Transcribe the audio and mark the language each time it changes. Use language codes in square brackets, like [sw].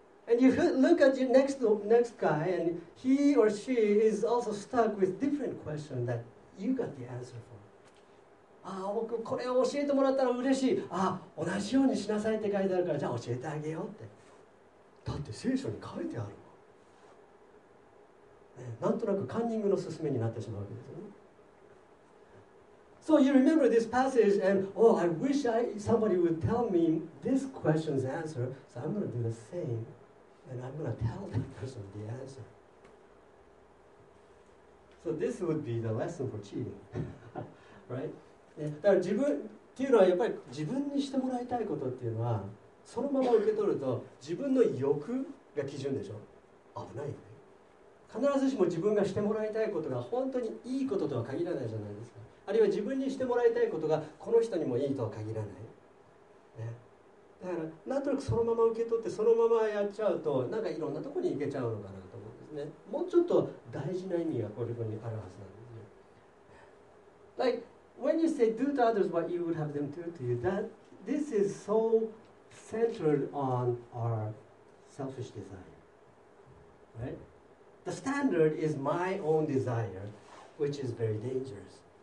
[en] And you look at your next guy and he or she is also stuck with different question that you got the answer for. [ja] ああ僕これを教えてもらったら嬉しい。ああ同じようにしなさいって書いてあるから、じゃあ教えてあげようって。だって聖書に書いてあるもん、ね、なんとなくカンニングの勧めになってしまうわけですよね。 [en] So you remember this passage and oh I wish somebody would tell me this question's answer, so I'm going to do the same And I'm going to tell that person the answer. So this would be the lesson for cheating. Right? [ja] だから自分っていうのはやっぱり自分にしてもらいたいことっていうのはそのまま受け取ると自分の欲が基準でしょ。危ないよね。必ずしも自分がしてもらいたいことが本当にいいこととは限らないじゃないですか。あるいは自分にしてもらいたいことがこの人にもいいとは限らない、ね、だからなんとなくそのまま受け取ってそのままやっちゃうとなんかいろんなところに行けちゃうのかなと思うんですね。もうちょっと大事な意味がこれにあるはずなんですよ。 [en] Like when you say do to others what you would have them do to you, that this is so centered on our selfish desire, right? The standard is my own desire, which is very dangerous.